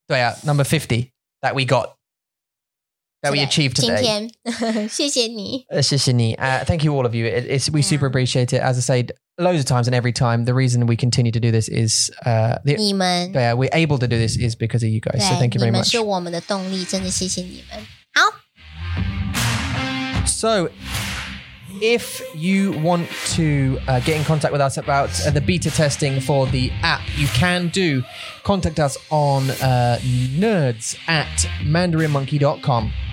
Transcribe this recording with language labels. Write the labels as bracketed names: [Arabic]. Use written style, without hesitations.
[Chinese] 对啊, [English] number 50 that we got. That today, we achieved today. [Chinese] 今天, 谢谢你. 谢谢你. [English] Thank you, all of you. We super appreciate it. As I said, loads of times and every time, the reason we continue to do this is... [Chinese] 你们. [English] Yeah, we're able to do this is because of you guys. so thank you very much. [Chinese] 你们是我们的动力, 真的谢谢你们. 好. [English] So... if you want to get in contact with us about the beta testing for the app, you can do contact us on nerds@mandarinmonkey.com.